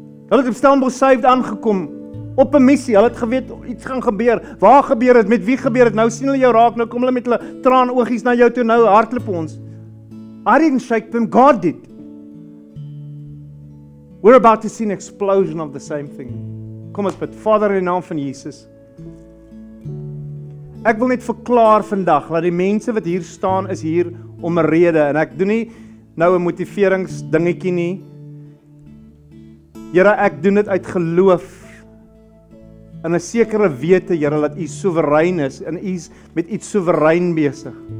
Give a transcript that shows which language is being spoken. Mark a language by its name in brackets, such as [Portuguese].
[Afrikaans] Hulle het op Stellenbosch [English] saved [Afrikaans] aangekom. Op 'n missie, hulle het geweet iets gaan gebeur. Waar gebeur het, met wie gebeur het, nou sien hulle jou raak, nou kom hulle met hulle traan oogies na jou toe, nou hardloop ons. [English] I didn't shake them, God did. We're about to see an explosion of the same thing. [Afrikaans] Kom ons bid, Vader in die naam van Jesus. Ek wil net verklaar vandag, dat die mense wat hier staan, is hier om 'n rede, en ek doen nie nou 'n motiveringsdingetjie nie. Here, ek doen dit uit geloof, en 'n sekere wete, Here, dat U soewerein is en U is met iets soewerein besig.